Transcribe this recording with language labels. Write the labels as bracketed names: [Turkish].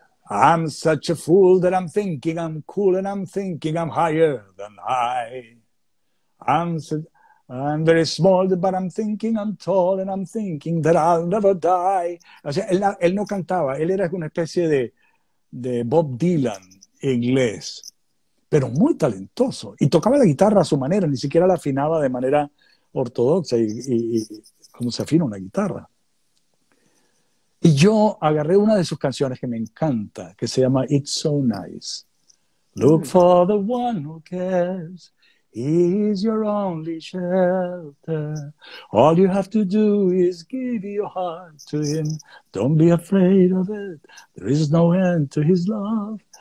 [English] I'm such a fool that I'm thinking I'm cool and I'm thinking I'm higher than high. I'm very small, but I'm thinking I'm tall and I'm thinking that I'll never die. [Spanish] O sea, él no cantaba, él era una especie de Bob Dylan inglés, pero muy talentoso. Y tocaba la guitarra a su manera, ni siquiera la afinaba de manera ortodoxa y como se afina una guitarra. Y yo agarré una de sus canciones que me encanta, que se llama It's So Nice. [English] Look for the one who cares. He's your only shelter. All you have to do is give your heart to him. Don't be afraid of it. There is no end to his love.